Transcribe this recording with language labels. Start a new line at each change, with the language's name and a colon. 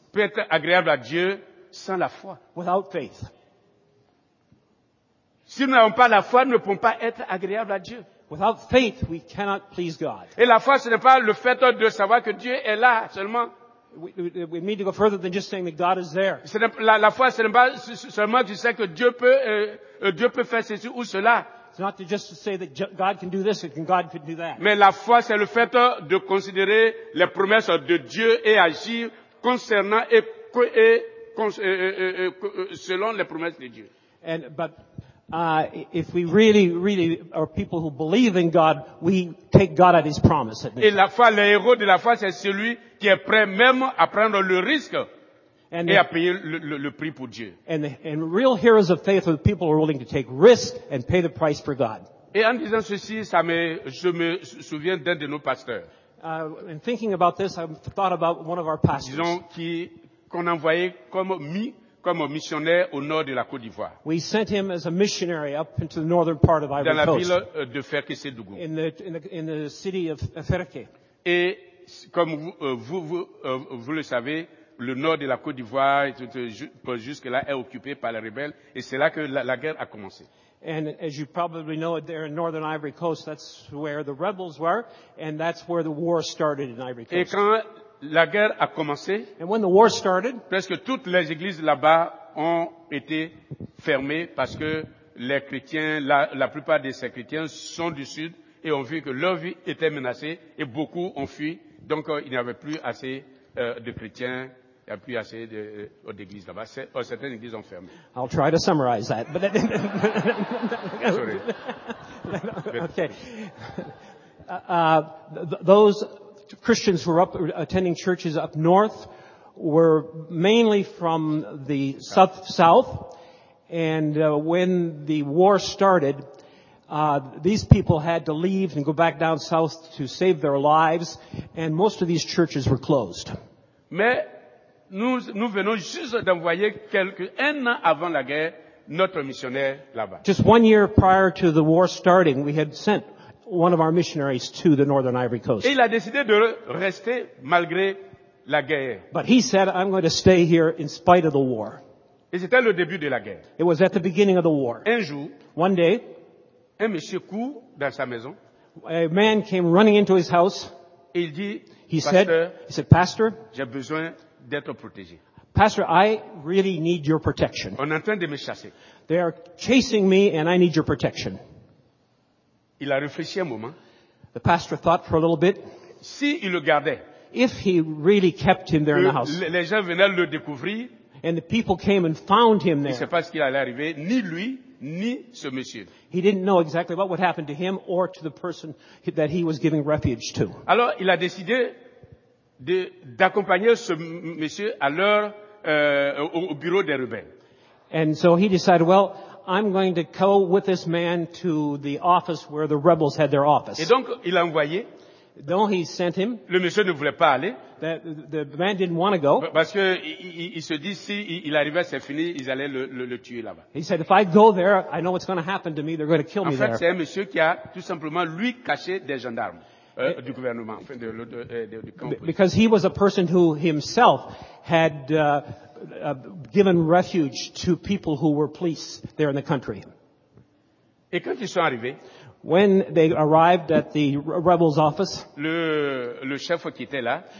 French: Peut être agréable à Dieu sans la foi.
English: Without faith.
French: Si nous n'avons pas la foi, nous ne pouvons pas être agréable à Dieu.
English: Without faith, we cannot please God.
French: Et la foi, ce n'est pas le fait de savoir que Dieu est là seulement.
English: We need to go further than just saying that God is there.
French: La foi, ce n'est pas seulement tu sais que Dieu peut faire ceci ou cela.
English: It's not to just say that God can do this and God can do that.
French: Mais la foi, c'est le fait de considérer les promesses de Dieu et agir concernant et selon les promesses de Dieu.
English: If we really, really are people who believe in God, we take God at His promise. At
French: et la foi, le héros de la foi, c'est celui qui est prêt même à prendre le risque et à payer le prix pour Dieu.
English: And real heroes of faith are the people who are willing to take risks and pay the price for God.
French: Et en disant ceci, je me souviens d'un de nos pasteurs.
English: In thinking about this, I thought about one of our pastors.
French: Disons qu'on envoyait comme missionnaire au nord de la Côte d'Ivoire.
English: We sent him as a missionary up into the northern part of Ivory Coast.
French: Dans la ville de Ferke-Sédougou.
English: In the city of Ferke.
French: Et comme vous le savez, le nord de la Côte d'Ivoire jusque-là est occupé par les rebelles et c'est là que la guerre a commencé.
English: And as you probably know, there in northern Ivory Coast, that's where the rebels were and that's where the war started in Ivory Coast.
French: Et quand la guerre a commencé,
English: and when the war started,
French: presque toutes les églises là-bas ont été fermées parce que les chrétiens, la plupart de ces chrétiens sont du sud et ont vu que leur vie était menacée et beaucoup ont fui. Donc il n'y avait plus assez de chrétiens, il n'y avait plus assez d'églises là-bas. Certaines églises ont fermé.
English: I'll try to summarize that. But sorry. Okay. Those Christians who were up attending churches up north were mainly from the south. And when the war started, these people had to leave and go back down south to save their lives. And most of these churches were closed.
French: Mais nous venons juste d'envoyer un an avant la guerre notre missionnaire là-bas.
English: Just 1 year prior to the war starting, we had sent one of our missionaries to the Northern Ivory Coast.
French: Et il a décidé de rester malgré la guerre.
English: But he said, I'm going to stay here in spite of the war.
French: Et c'était le début de la guerre.
English: It was at the beginning of the war.
French: Un jour,
English: one day,
French: un monsieur court dans sa maison.
English: A man came running into his house.
French: Et il dit,
English: he said, Pastor,
French: j'ai besoin d'être protégé.
English: Pastor, I really need your protection.
French: On est en train de me chasser.
English: They are chasing me and I need your protection.
French: Il a réfléchi un moment.
English: The pastor thought for a little bit.
French: Si il le gardait.
English: If he really kept him there in the house.
French: Les gens venaient le découvrir.
English: And the people came and found him there.
French: Il ne sait pas ce qui allait arriver, ni lui, ni ce monsieur.
English: He didn't know exactly what would happen to him or to the person that he was giving refuge to.
French: Alors, il a décidé d'accompagner ce monsieur à leur au bureau des rebelles.
English: And so he decided, well, I'm going to go with this man to the office where the rebels had their office.
French: Et donc, il a envoyé.
English: Donc, he sent him.
French: Le monsieur ne voulait pas aller.
English: The man didn't want to go.
French: Parce que il se dit, si il arrivait, c'est fini, ils allaient le tuer là-bas.
English: He said, if I go there, I know what's going to happen to me. They're going to kill me there.
French: En fait, c'est un monsieur qui a tout simplement lui caché des gendarmes. Du gouvernement, enfin du camp.
English: Because he was a person who himself had given refuge to people who were police there in the country.
French: Et quand ils sont arrivés,
English: when they arrived at the rebel's office,
French: le chef qui était là,